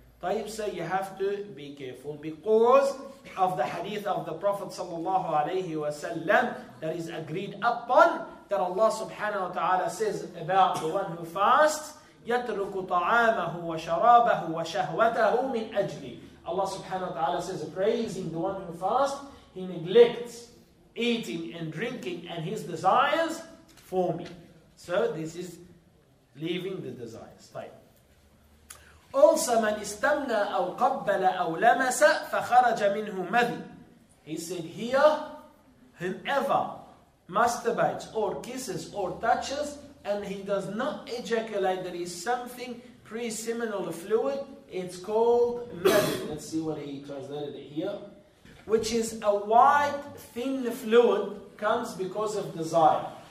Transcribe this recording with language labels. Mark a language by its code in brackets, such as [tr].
[en] Tayyib say you have to be careful because of the hadith of the Prophet sallallahu alayhi wa sallam that is agreed upon that Allah subhanahu wa ta'ala says about the one who fasts, [ar] يَتْرُكُ طَعَامَهُ وَشَرَابَهُ وَشَهْوَتَهُ مِنْ أَجْلِ. [en] Allah subhanahu wa ta'ala says, praising the one who fasts, he neglects eating and drinking and his desires for me. So this is leaving the desires. [ar] طيب. [en] Also, [ar] من استمنى أو قبل أو لمس فخرج منه مذي. [en] He said here, whomever masturbates or kisses or touches and he does not ejaculate, there is something pre-seminal fluid, it's called mذي. Let's see what he translated here. Which is a white thin fluid comes because of desire.